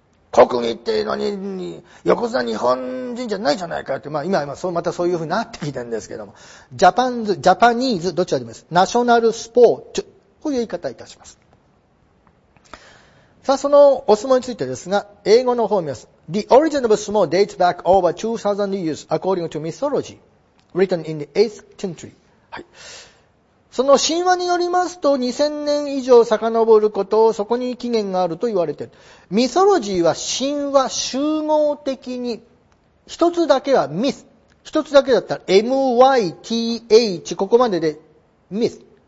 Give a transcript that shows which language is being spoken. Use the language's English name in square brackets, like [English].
[Japanese] 航空技っていうのに、横綱日本人じゃないじゃないかって、まあ今そう、またそういうふうになってきてるんですけども。ジャパンズ、ジャパニーズ、どちらでもいいです。ナショナルスポート、こういう言い方いたします。さあ、そのお相撲についてですが、英語の方を見ます。 [English] The origin of sumo dates back over 2000 years according to mythology written in the 8th century. [Japanese] はい。その神話によりますと2000年以上遡ることをそこに起源があると言われている。 mythology は神話集合的に一つだけは myth。一つだけだったら myth。ここまでで myth。